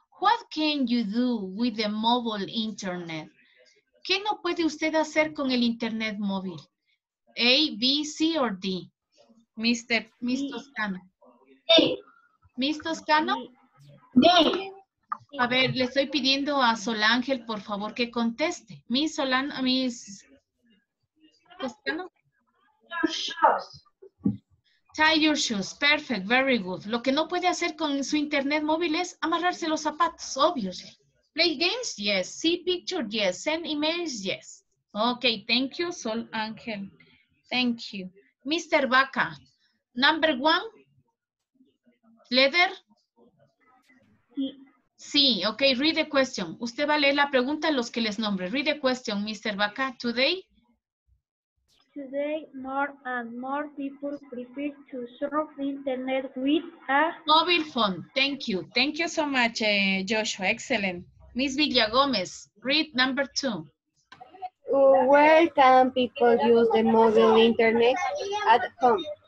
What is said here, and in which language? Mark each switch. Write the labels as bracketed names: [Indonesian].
[English] What can you do with the mobile internet? [Spanish] ¿Qué no puede usted hacer con el internet móvil? [English] A, B, C or D? Miss Toscano. D. Miss Toscano? D. [Spanish] A ver, le estoy pidiendo a Sol Ángel, por favor, que conteste. [English] Miss Solano, Miss Toscano. Tie your shoes. Perfect. Very good. [Spanish] Lo que no puede hacer con su internet móvil es amarrarse los zapatos, obviamente. [English] Play games? Yes. See picture? Yes. Send emails? Yes. Okay, thank you, Sol Angel. Thank you. Mr. Baca, number one, letter? [Spanish] Sí. Sí, [English] okay, read the question. [Spanish] Usted va a leer la pregunta a los que les nombre. [English] Read the question, Mr. Baca, today. Today, more and more people prefer to surf the internet with a mobile phone. Thank you. Thank you so much, Joshua. Excellent. Miss Villa Gomez, read number two. Where can people use the mobile internet at home?